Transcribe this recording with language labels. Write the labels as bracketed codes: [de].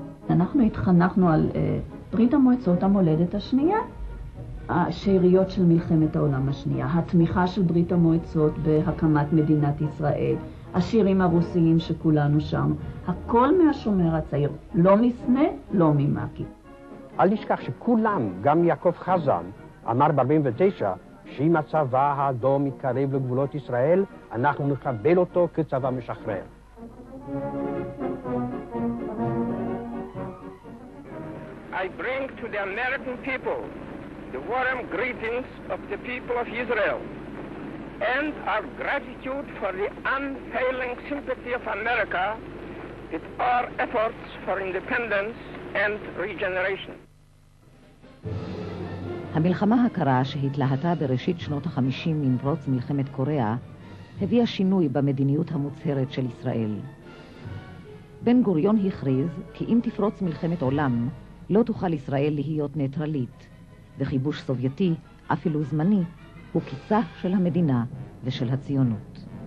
[he] אנחנו התחנכנו על ברית המועצות המולדת השנייה, השאריות של מלחמת העולם השנייה, התמיכה של ברית המועצות בהקמת מדינת ישראל, השירים הרוסיים שכולנו שם, הכל מהשומר הצעיר, לא מסנה, לא ממקי. אל נשכח שכולם, גם יעקב חזן, אמר ב-49, שאם הצבא האדום יתקרב לגבולות ישראל, אנחנו נקבל אותו כצבא משחרר. [en] I bring to the American people the warm greetings of the people of Israel and our gratitude for the unfailing sympathy of America with our efforts for independence and regeneration. [he] המלחמה הקרה שהתלהטה בראשית שנות ה-50 עם פרוץ מלחמת קוריאה הביאה שינוי במדיניות המוצהרת של ישראל. בן גוריון הכריז כי אם תפרוץ מלחמת עולם לא תוכל ישראל להיות ניטרלית, וכיבוש סובייטי, אפילו זמני, הוא קיצה של המדינה ושל הציונות.